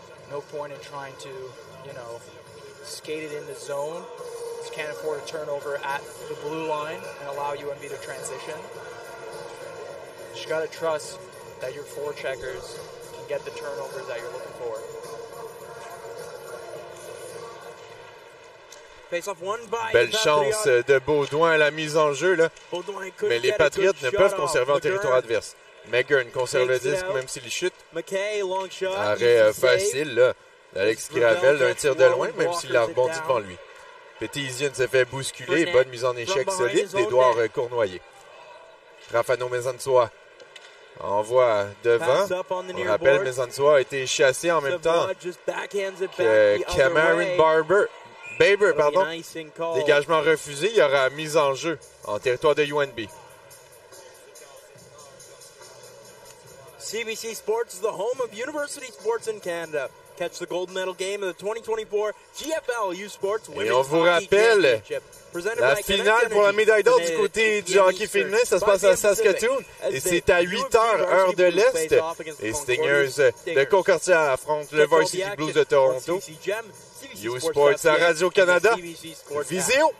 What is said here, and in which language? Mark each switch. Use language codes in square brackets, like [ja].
[en] No point in trying to, you know, skate it in the zone. Just can't afford a turnover at the blue line and allow UNB to transition. Just got to trust that your four checkers can get the turnovers that you're looking for. Face-off won by [fr] belle chance de Beaudoin à la mise en jeu, là. Mais les Patriotes ne peuvent conserver en territoire adverse. Megan conserve le disque même s'il chute. [en] McKay, long shot, [fr] arrêt facile, là. Alex Gravel, un tir de loin, même s'il a rebondi devant lui. Petitien s'est fait bousculer. Bonne mise en échec solide d'Edouard Cournoyer. Rafano Mezansoa envoie devant. On rappelle, Mezansoa a été chassé en même temps que Cameron Baber. Dégagement refusé, il y aura mise en jeu en territoire de UNB. [en] CBC Sports is the home of university sports in Canada. Catch the gold medal game of the 2024 GFL U Sports Women's Hockey Championship. [fr] Et on vous rappelle, la finale pour la médaille d'or du côté du hockey féminin, ça se passe à Saskatoon. Et c'est à 8h, heure de l'Est. Les Stingers de Concordia affrontent le Varsity Blues de Toronto. U Sports à Radio-Canada. Visio!